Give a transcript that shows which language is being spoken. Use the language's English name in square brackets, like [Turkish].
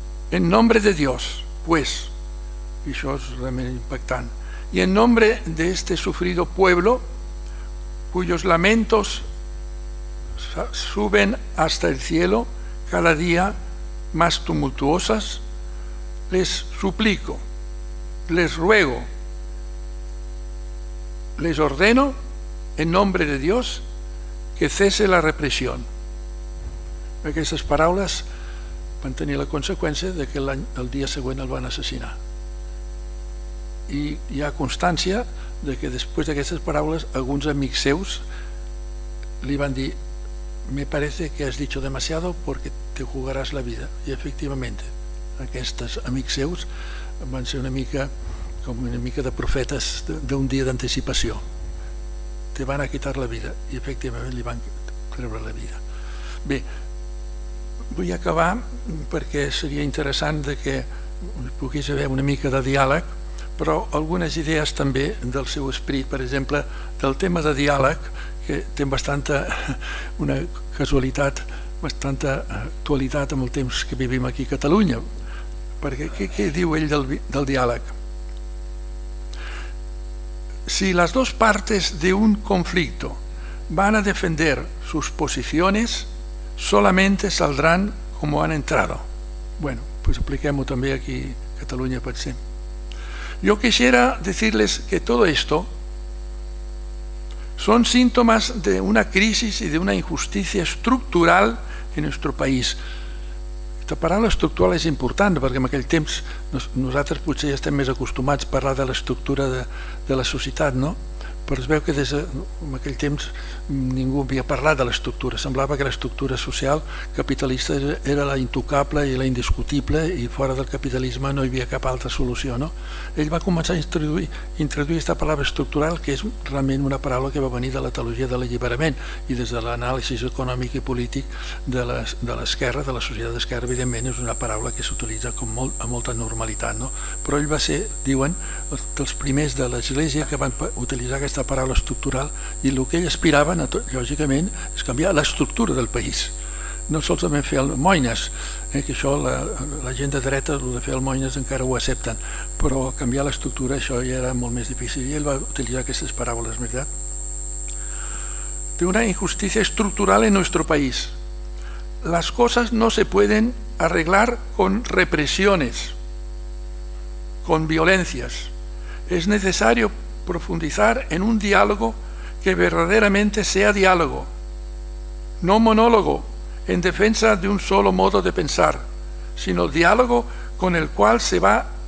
[Spanish] En nombre de Dios, pues, y eso es realmente impactante, y en nombre de este sufrido pueblo, cuyos lamentos suben hasta el cielo cada día más tumultuosas, les suplico, les ruego, les ordeno, en nombre de Dios, que cese la represión. [Catalan] Aquestes paraules van tenir la conseqüència de que el dia següent el van assassinar. I hi ha constància de que després d'aquestes paraules alguns amics seus li van dir: [Spanish] me parece que has dicho demasiado porque te jugarás la vida. [Catalan] I efectivament, aquests amics seus van ser una mica com una mica de profetes d'un dia d'anticipació. [Spanish] Te van a quitar la vida [Catalan] i efectivament li van treure la vida. Bé, vull acabar perquè seria interessant que pogués haver una mica de diàleg, però algunes idees també del seu esperit, per exemple, del tema de diàleg, que té bastanta una casualitat, bastanta actualitat amb el temps que vivim aquí a Catalunya. Perquè què diu ell del diàleg? [Spanish] Si las dos partes de un conflicto van a defender sus posiciones, solamente saldrán como han entrado. Bueno, pues expliquemos también aquí Cataluña, por ejemplo. Yo quisiera decirles que todo esto son síntomas de una crisis y de una injusticia estructural en nuestro país. [Catalan] La paraula estructural és important perquè en aquell temps nosaltres potser ja estem més acostumats a parlar de l'estructura de la societat, no? Però es veu que des de, en aquell temps ningú havia parlat de l'estructura. Semblava que l'estructura social capitalista era la intocable i la indiscutible i fora del capitalisme no hi havia cap altra solució, no? Ell va començar a introduir aquesta paraula estructural, que és realment una paraula que va venir de la teologia de l'alliberament i des de l'anàlisi econòmic i polític de l'esquerra, de la societat d'esquerra, evidentment és una paraula que s'utilitza amb molta normalitat, no? Però ell va ser, diuen, dels primers de l'Església que van utilitzar aquesta paraula estructural, i el que ell aspirava, lògicament, és canviar l'estructura del país. No solament fer almoines, que això la gent de dreta, el de fer almoines encara ho accepten, però canviar l'estructura, això ja era molt més difícil, i ell va utilitzar aquestes paraules, veritat? Té una injustícia estructural [Spanish] en nuestro país. Las cosas no se pueden arreglar con represiones, con violencias. Es necesario profundizar en un diálogo que verdaderamente sea diálogo, no monólogo en defensa de un solo modo de pensar, sino diálogo con el cual se va